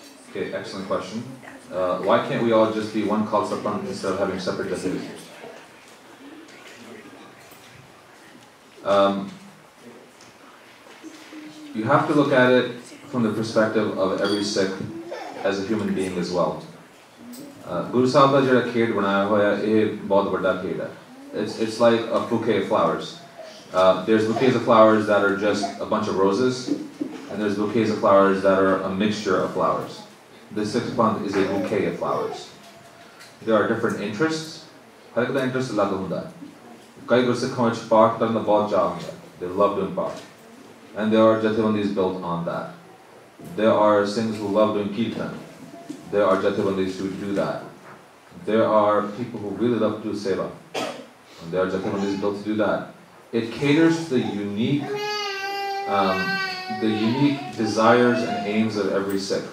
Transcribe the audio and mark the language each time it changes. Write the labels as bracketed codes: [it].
[en] Okay, excellent question. Why can't we all just be one Khalsa Panth instead of having separate designations? You have to look at it from the perspective of every Sikh as a human being as well. [pa] Guru Sahib ਦਾ ਜਿਹੜਾ ਖੇਡ ਬਣਾਇਆ ਹੋਇਆ ਏਹ ਬਹੁਤ ਵੱਡਾ ਖੇਡ ਹੈ. [en] It's like a bouquet of flowers. There's bouquets of flowers that are just a bunch of roses, and there's bouquets of flowers that are a mixture of flowers. The sixth month is a bouquet of flowers. There are different interests. How do the interests [pa] ਲੱਗ ਹੁੰਦਾ? ਕਈ ਗੁਰ ਸਿੱਖਾਂ ਵਿਚ ਪਾਠ ਕਰਨ ਦਾ ਬਹੁਤ ਚਾਅ ਹੁੰਦਾ. [en] They love doing paath. And there are jathebandis built on that. There are Sikhs who love doing kirtan. There are jathebandis who do that. There are people who really love to do seva. And there are jathebandis built to do that. It caters to the unique desires and aims of every Sikh.